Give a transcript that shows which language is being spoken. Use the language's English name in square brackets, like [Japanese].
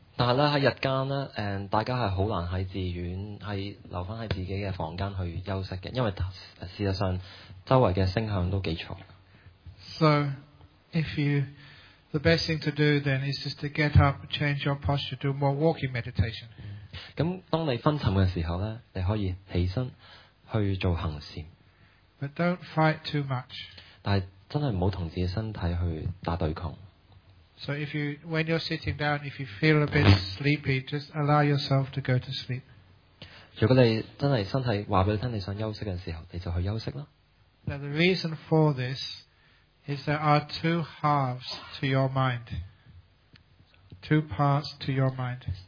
[Cantonese] 但係咧喺日間咧，大家係好難喺自己嘅房間去休息嘅，因為事實上周圍嘅聲響都幾嘈。 [English] So if you the best thing to do then is just to get up, change your posture, do more walking meditation. [Cantonese] 咁當你昏沉嘅時候咧，你可以起身去做行善。 [English] But don't fight too much. [Cantonese] 但係真係唔好同自己身體去打對抗。 [English] So if you, when you're sitting down, if you feel a bit sleepy, just allow yourself to go to sleep. [Cantonese] 如果你真係身體話俾你聽你想休息嘅時候，你就去休息啦。 [English] Now the reason for this is there are two halves to your mind, two parts to your mind.